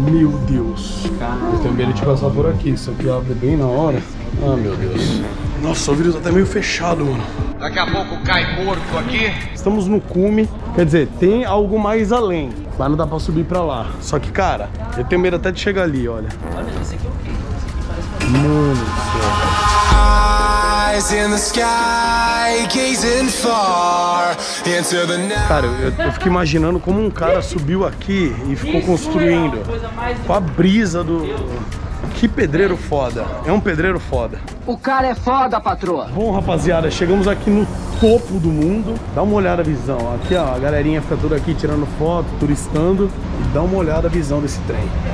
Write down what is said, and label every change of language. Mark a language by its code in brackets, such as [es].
[pt] Meu Deus. Eu tenho medo de passar por aqui. Isso aqui abre bem na hora. Ah, meu Deus. Nossa, o vírus tá até meio fechado, mano. Daqui a pouco cai morto aqui. Estamos no cume. Quer dizer, tem algo mais além. Mas não dá pra subir pra lá. Só que, cara, eu tenho medo até de chegar ali, olha. Olha, esse aqui é o quê? Mano do céu. [en] Eyes in the sky, gazing far into the night. [pt] Cara, eu fico imaginando como um cara subiu aqui e ficou isso construindo. É uma coisa mais com a brisa do. Deus. Que pedreiro foda. É um pedreiro foda. O cara é foda, patroa. Bom, rapaziada, chegamos aqui no topo do mundo. Dá uma olhada a visão. Aqui, ó, a galerinha fica toda aqui tirando foto, turistando. E dá uma olhada a visão desse trem.